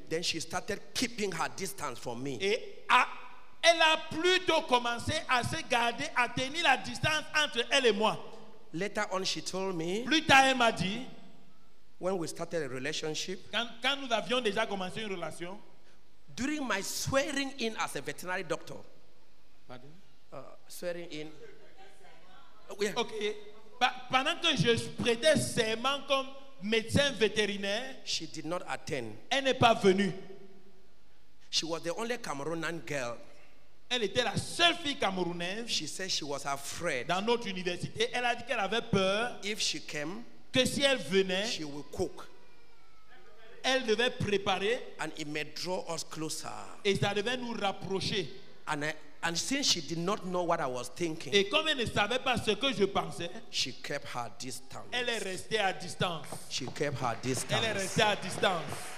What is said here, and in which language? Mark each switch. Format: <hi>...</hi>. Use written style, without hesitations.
<en>Then she started keeping her distance from me.</en> <fr>Et à, elle a plutôt commencé à se garder, à tenir la distance entre elle et moi.</fr> <en>Later on, she told me,</en> <fr>plus tard, elle m'a dit,</fr> <en>when we started a relationship,</en> <fr>quand nous avions déjà commencé une relation,</fr> <en>during my swearing in as a veterinary doctor,</en> <fr>pardon,</fr> <en>swearing in. Okay.</en> <fr>Pendant que je prêtais serment comme médecin vétérinaire,</fr> <en>she did not attend.</en> <fr>Elle n'est pas venue.</fr> <en>She was the only Cameroonian girl.</en> <fr>Elle était la seule fille camerounaise.</fr> <en>She said she was afraid.</en> <fr>Dans notre université, elle a dit qu'elle avait peur.</fr> <en>If she came,</en> <fr>que si elle venait,</fr> <en>she would cook.</en> <fr>Elle devait préparer.</fr> <en>And it may draw us closer.</en> <fr>Et ça devait nous rapprocher.</fr> <en>And since she did not know what I was thinking,</en> <fr>et comme elle ne savait pas ce que je pensais,</fr> <en>she kept her distance.</en> <fr>Elle est restée à distance.</fr> <en>She kept her distance.</en> <fr>Elle est restée à distance.</fr>